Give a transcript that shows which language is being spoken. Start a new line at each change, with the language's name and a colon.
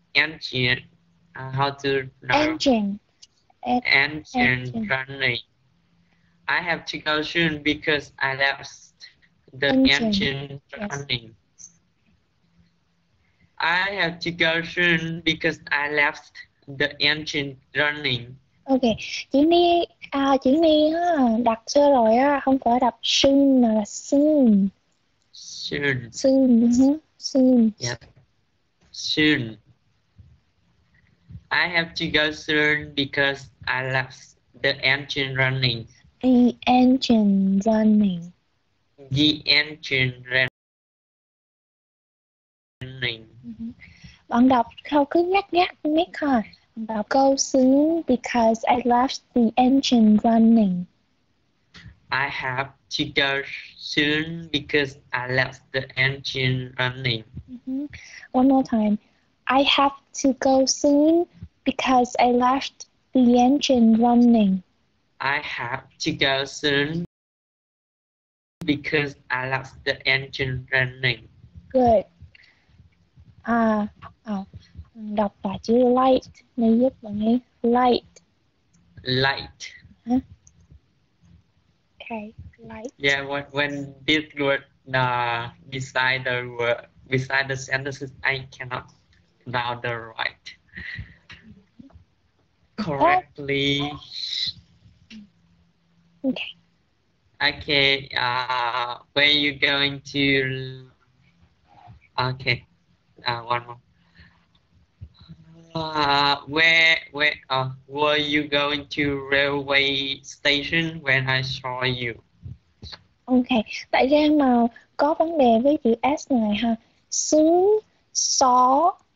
English: Engine running. I have to go soon because I left the engine running. Yes. I have to go soon because I left the engine running.
Vietnamese: Okay, chị đi ha, đặt sơ rồi á, không phải đặt soon mà là soon.
English: Soon. Soon. Soon. Yep. Soon. I have to go soon because I left the engine running. The engine running. The engine running. Mm-hmm.
Vietnamese: Bạn đọc câu cứ nhắc nhắc mấy thôi.
English: Bạn go soon because I left the engine running. I have to go soon because I left the engine running. Mm-hmm. One more time. I have to go soon because I left the engine running. I have to go soon because I left the engine running. Good.
Vietnamese: Đọc lại chữ light này giúp bạn nghe.
English: Light. Light. Huh? Okay, light. Yeah, when this word beside the sentences, I cannot now the right. Correctly. Okay. When are you going to? Okay. One more. Were you going to railway station when I saw you? Okay.
Vietnamese: Tại sao mà có vấn đề với chữ S này ha?
English: Soon saw.